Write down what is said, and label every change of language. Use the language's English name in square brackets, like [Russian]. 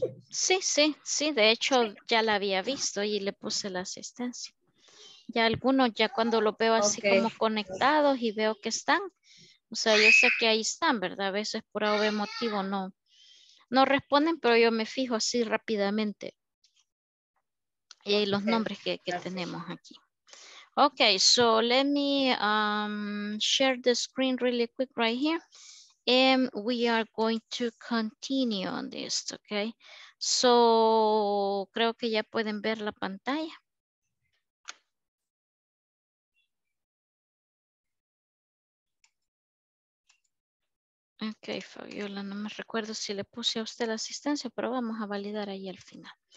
[Spanish] Sí, sí, sí, de hecho ya la había visto y le puse la asistencia. Ya algunos, ya cuando lo veo así okay. Como conectados y veo que están, o sea, yo sé que ahí están, ¿verdad? A veces por algún motivo no responden, pero yo me fijo así rápidamente. Y los okay. Nombres que tenemos aquí. [English] Ok, so let me share the screen really quick right here. And we are going to continue on this, ok? [Spanish] So, creo que ya pueden ver la pantalla. Ok, Fabiola, no me recuerdo si le puse a usted la asistencia, pero vamos a validar ahí al final.